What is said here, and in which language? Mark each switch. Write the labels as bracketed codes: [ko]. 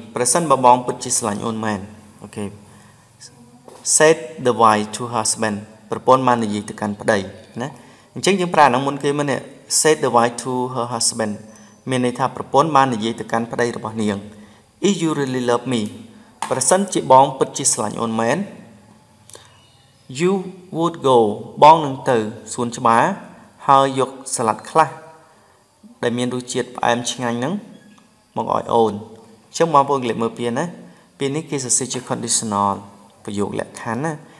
[km] ប្រសិនបងបងពិតជាស្រឡាញ់អូនមែនអូខេ [en] said the wife to her husband [km] ប្រពន្ធបាននិយាយទៅកាន់ប្តីណាអញ្ចឹងយើងប្រាប់ដល់មុនគេមិននេះ [en] said the wife to her husband [km] មានន័យថាប្រពន្ធបាននិយាយទៅកាន់ប្តីរបស់នាង [en] if you really love me [km] ប្រសិនជាបងពិតជាស្រឡាញ់អូនមែន [en] you would go [km] បងនឹងទៅសួនច្បារហើយយកសាឡាត់ខ្លះដែលមានរសជាតិផ្អែមឆ្ងាញ់ហ្នឹងមកឲ្យអូនអញ្ចឹងបងប្អូនគិតមើលពីណាពីនេះគេសរសេរជា conditional ប្រយោគលក្ខខណ្ឌណា